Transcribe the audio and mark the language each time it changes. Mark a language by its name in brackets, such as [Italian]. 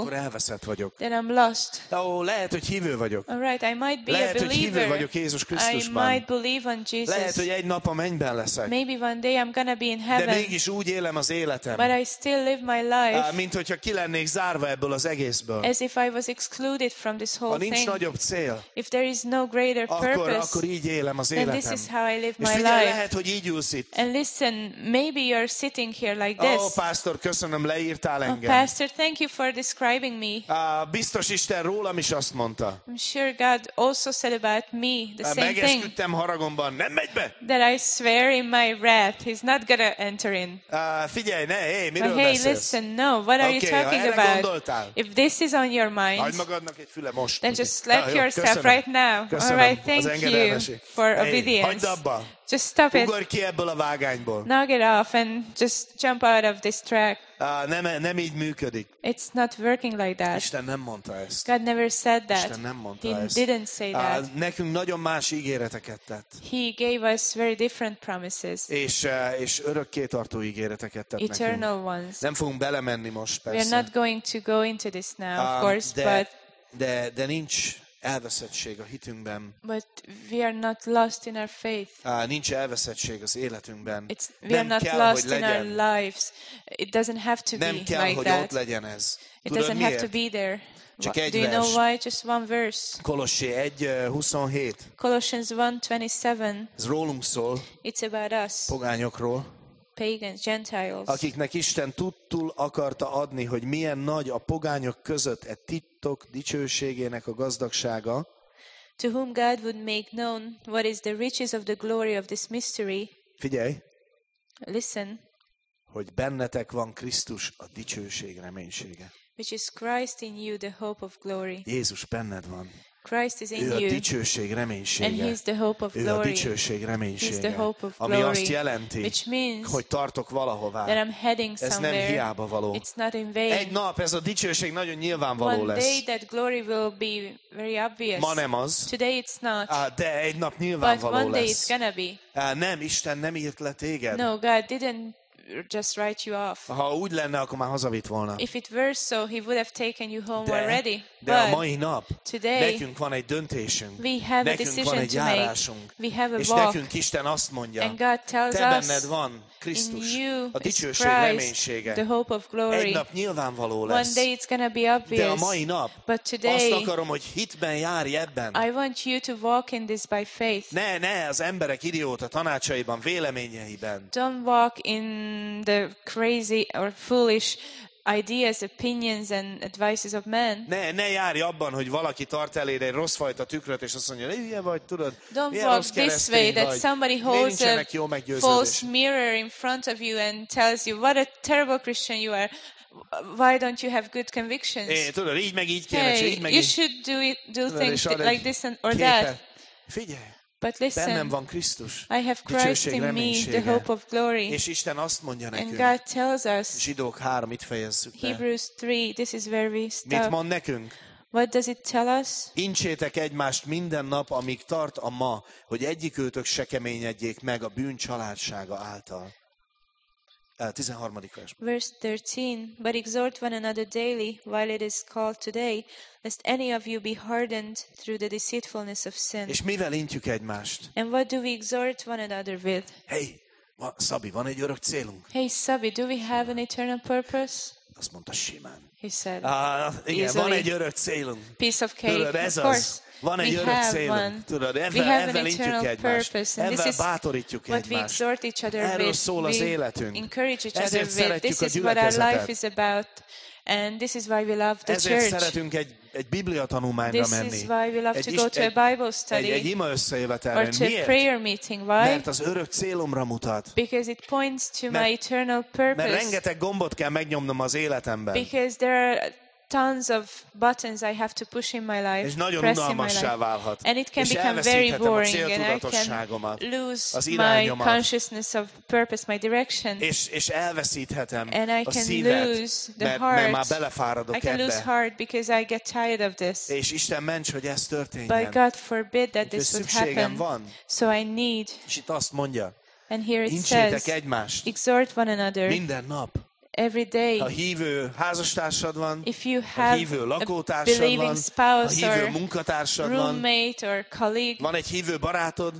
[Hungarian] Akkor elveszett vagyok. [English] Then I'm lost. [Hungarian] Ó, lehet, hogy hívő vagyok. [English] All right, I might be [Hungarian] lehet, [English] a believer. [Hungarian] Lehet, hogy hívő vagyok Jézus Krisztusban. [English] I might believe on Jesus. [Hungarian] Lehet, hogy egy nap a mennyben leszek. [English] Maybe one day I'm gonna be in heaven. [Hungarian] De mégis úgy élem az életem. [English] But I still live my life. [Hungarian] Mint hogyha ki lennék zárva ebből az egészből. [English] As if I was excluded from this whole thing. [Hungarian] Ha nincs nagyobb cél. [English] If there is no greater purpose, [Hungarian] akkor így élem az életem. [English] This is how I live my [Hungarian] figyelj, [English] life. [Hungarian] Lehet, hogy így ülsz itt. [English] And listen, maybe you're sitting here like this. Oh, pastor, [Hungarian] köszönöm, leírtál engem. [English] Oh, pastor, thank you for describing me. [Hungarian] Biztos Isten rólam is azt mondta. [English] I'm sure God also said about me the same thing. [Hungarian] Megesküdtem haragomban, nem megy be. [English] That I swear in my wrath, he's not gonna enter in. [Hungarian] Figyelj, ne, hey, miről beszélsz? [English] Hey, listen, no, what are you talking about? If this is on your mind, [Hungarian] hagyd magadnak egy füle most. [English] Then just slap yourself. [Hungarian] Köszönöm. [English] Right now. [Hungarian] Köszönöm. [English] All right, thank you for obedience. Hey, just stop it. [Hungarian] Ugorj ki ebből a vágányból. [English] Knock it off and just jump out of this track. [Hungarian] Nem így működik. [English] It's not working like that. [Hungarian] Isten nem mondta ezt. [English] God never said that. [Hungarian] Isten nem mondta [English] he [Hungarian] ezt. [English] He didn't say that. [Hungarian] Nekünk nagyon más ígéreteket tett. [English] He gave us very different promises. [Hungarian] És örökkétartó ígéreteket tett [English] eternal [Hungarian] nekünk. [English] Ones. [Hungarian] Nem fogunk belemenni most, persze. [English] We're not going to go into this now, of course, [Hungarian] de nincs elveszettség a hitünkben. [English] But we are not lost in our faith. [Hungarian] Nincs elveszettség az életünkben. [English] It's, we are not [Hungarian] kell, [English] lost in our lives. It doesn't have to [Hungarian] nem [English] be [Hungarian] kell, [English] like [Hungarian] hogy [English] that. [Hungarian] Ott legyen ez. [English] It doesn't [Hungarian] miért? [English] Have to be there. [Hungarian] Csak egy [English] do you [Hungarian] vers. [English] Know why? Just one verse. [Hungarian] Kolossé 1:27. [English] Colossians 1:27. [Hungarian] Ez rólunk szól. [English] It's about us. [Hungarian] Pogányokról. [English] Pagans, Gentiles. [Hungarian] Akiknek Isten tudtul akarta adni, hogy milyen nagy a pogányok között e titok dicsőségének a gazdagsága. [English] To whom God would make known what is the riches of the glory of this mystery. [Hungarian] Figyelj! [English] Listen! [Hungarian] Hogy bennetek van Krisztus a dicsőség reménysége. [English] Which is Christ in you, the hope of glory. [Hungarian] Jézus benned van. [English] Christ is in [Hungarian] ő a dicsőség reménysége. [English] And he is the hope of [Hungarian] ő [English] glory. [Hungarian] A dicsőség reménysége. [English] He is the hope of [Hungarian] ami [English] glory, [Hungarian] azt jelenti, [English] which means [Hungarian] hogy tartok valahová. [English] That I'm heading somewhere. [Hungarian] Ez nem hiába való. [English] It's not in vain. [Hungarian] Egy nap ez a dicsőség nagyon nyilvánvaló [English] one [Hungarian] lesz. [English] Day that glory will be very obvious. [Hungarian] Ma nem az. [English] Today it's not. [Hungarian] De egy nap nyilvánvaló [English] but one day [Hungarian] lesz. [English] It's gonna be. [Hungarian] Nem, Isten nem írt le téged. [English] No, God didn't just write you off. [Hungarian] Ha úgy lenne, akkor már hazavitt volna. [English] If it were so, he would have taken you home already. [Hungarian] De a mai nap, [English] today, [Hungarian] nekünk van egy döntésünk. [English] We have a decision to make. [Hungarian] Nekünk van egy járásunk. [English] We have a [Hungarian] és [English] walk. [Hungarian] Nekünk Isten azt mondja, [English] and God tells [Hungarian] te benned van Krisztus, [English] you, [Hungarian] a dicsőség reménysége. [English] The hope of glory. [Hungarian] Egy nap nyilvánvaló lesz. [English] One day it's gonna be obvious. [Hungarian] De a mai nap, [English] but today, [Hungarian] azt akarom, hogy hitben járj ebben. [English] I want you to walk in this by faith. [Hungarian] Ne, az emberek idióta tanácsaiban, véleményeiben. [English] Don't walk in the crazy or foolish ideas, opinions and advices of men. [Hungarian] Ne járj abban, hogy valaki tart eléd egy rossz fajta tükröt, és azt mondja, hülye vagy, tudod, [English] don't walk this way, [Hungarian] vagy. [English] That somebody holds a false mirror in front of you and tells you, what a terrible Christian you are. Why don't you have good convictions? [Hungarian] Tudod, így meg így [English] hey, [Hungarian] kéne, így meg [English] you [Hungarian] így. [English] Should do things like this and, or képe. That. [Hungarian] Figyelj! [English] But listen, [Hungarian] bennem van Krisztus, [English] I have Christ in me, the hope of glory. [Hungarian] És Isten azt mondja nekünk, [English] and God tells us, [Hungarian] Zsidók 3, itt fejezzük [English] Hebrews 3, this is where we stop. [Hungarian] Mit mond nekünk? [English] What does it tell us? [Hungarian] Incsétek egymást minden nap, amíg tart a ma, hogy egyikőtök se keményedjék meg a bűn csalársága által. 13. [English] Verse 13. But exhort one another daily, while it is called today, lest any of you be hardened through the deceitfulness of sin. [Hungarian] És mivel intjük egymást? [English] And what do we exhort one another with? [Hungarian] Hey, Szabi, van egy örök célunk? [English] Hey, Szabi, do we have an eternal purpose? [Hungarian] Azt mondta simán. [English] He said, [Hungarian] igen, van egy örök célunk. [English] Piece of cake. [Hungarian] Tudod, ez [English] of course, [Hungarian] az. Van egy örök célunk. Tudod, ebben intjük egymást. Ebben bátorítjuk egymást. Erről szól az életünk. Ezért szeretjük a gyülekezetet. [English] And this is why we love the [Hungarian] ezért [English] church. [Hungarian] Szeretünk egy Biblia tanulmányra menni. [English] This is why we love to go to a Bible study. [Hungarian] Egy ima összejövetelre. [English] Or to a prayer meeting. Why? [Hungarian] Mert az örök célomra mutat. [English] Because it points to my eternal purpose. [Hungarian] Mert rengeteg gombot kell megnyomnom az életemben. [English] Because there are tons of buttons I have to push in my life. [Hungarian] És nagyon unalmassá válhat. [English] And it can become very boring. [Hungarian] És elveszíthetem a céltudatosságomat, [English] my consciousness of purpose, my direction. [Hungarian] És elveszíthetem [English] and I can [Hungarian] a szívet, [English] lose the heart. [Hungarian] Mert már belefáradok [English] I can [Hungarian] ebbe. [English] Lose heart because I get tired of this. [Hungarian] És Isten ments, hogy ez történjen. [English] But God forbid that this would happen. [Hungarian] Van. [English] So I need. [Hungarian] És itt azt mondja. [English] And here it [Hungarian] incsétek [English] says. [Hungarian] Egymást. [English] Exhort one another. [Hungarian] Minden nap. [English] Every day. [Hungarian] A hívő házastársad van. [English] If you have [Hungarian] a hívő lakótársad van, a hívő munkatársad van, van egy hívő barátod,